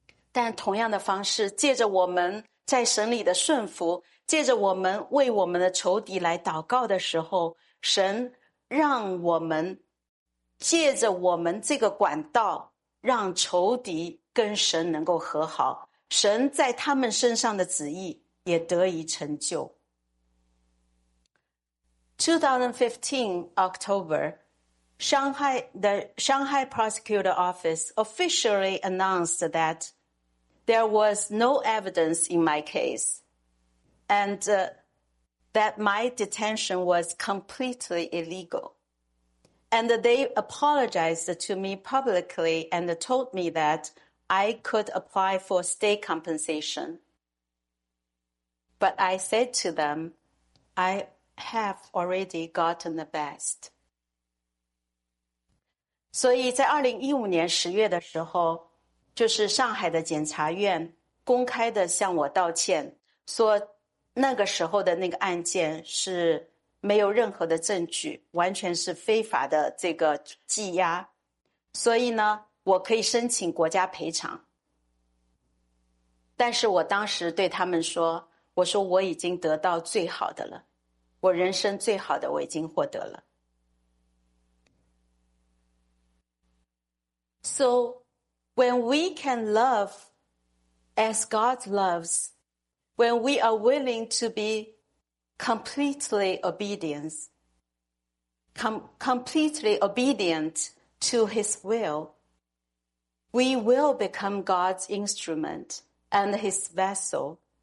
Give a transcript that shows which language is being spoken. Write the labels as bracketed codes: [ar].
[zh] 但同样的方式， 借着我们在神里的顺服， 借着我们为我们的仇敌来祷告的时候， 神让我们 借着我们这个管道， 让仇敌跟神能够和好， 神在他们身上的旨意 也得以成就。 [en] 2015 October, the Shanghai Prosecutor Office officially announced that there was no evidence in my case and that my detention was completely illegal. And they apologized to me publicly and told me that I could apply for state compensation. But I said to them, I have already gotten the best. [zh] 所以在2015年10月的时候, 就是上海的检察院公开的向我道歉, 说那个时候的那个案件是没有任何的证据, 完全是非法的这个羁押, 所以呢, 我可以申请国家赔偿。但是我当时对他们说, 我说我已经得到最好的了, 我人生最好的我已经获得了。 [en] So when we can love as God loves, when we are willing to be completely obedient, completely obedient to his will, we will become God's instrument and his vessel.